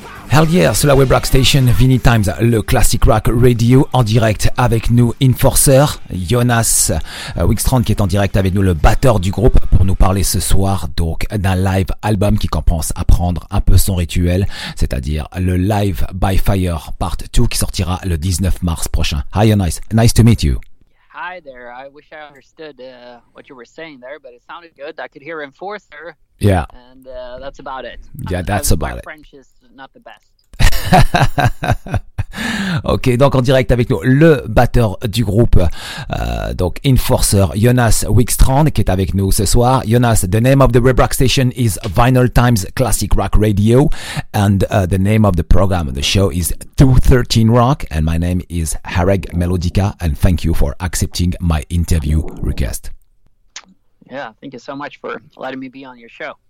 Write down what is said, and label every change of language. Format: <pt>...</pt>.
<en>Hell yeah,</en> <fr>sur la web rock station Vinny Times, le classic rock radio en direct avec nous, Enforcer, Jonas Wickstrand qui est en direct avec nous, le batteur du groupe, pour nous parler ce soir donc d'un live album qui commence à prendre un peu son rituel, c'est-à-dire le Live by Fire Part 2 qui sortira le 19 mars prochain.</fr> <en>Hi Jonas, nice to meet you. Hi there, I wish I understood what you were saying there, but it sounded good. I could hear Enforcer. Yeah. And that's about it. Yeah, that's about it. My French is not the best.</en> <fr>Ok, donc en direct avec nous, le batteur du groupe, donc Enforcer, Jonas Wickstrand, qui est avec nous ce soir.</fr> <en>Jonas, the name of the Web Rock Station is Vinyl Times Classic Rock Radio, and the name of the program, the show is 213 Rock, and my name is Hareg Melodica, and thank you for accepting my interview request. Yeah, thank you so much for letting me be on your show.</en>